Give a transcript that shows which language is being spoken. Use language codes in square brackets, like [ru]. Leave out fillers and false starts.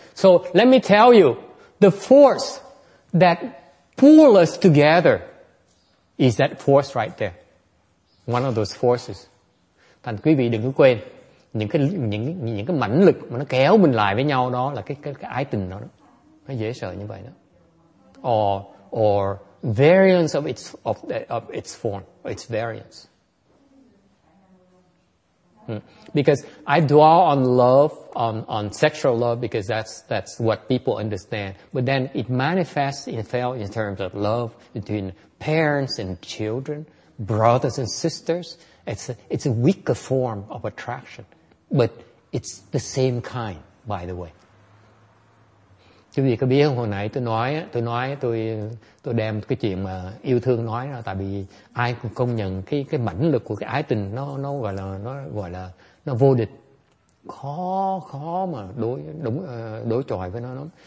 [en] So let me tell you, the force that pull us together is that force right there. One of those forces. [vi] Thành quý vị đừng có quên. Những cái mãnh lực mà nó kéo mình lại với nhau đó là cái ái tình đó, nó dễ sợ như vậy đó. [en] Or variance of its form, its variance. Because I dwell on love, on sexual love, because that's what people understand. But then it manifests itself in terms of love between parents and children, brothers and sisters. It's a weaker form of attraction. But it's the same kind, by the way. [vi] Chứ vì có biết không, hồi nãy tôi đem cái chuyện mà yêu thương nói ra, tại vì ai cũng công nhận cái mãnh lực của cái ái tình nó gọi là vô địch, khó mà đối chọi với nó lắm.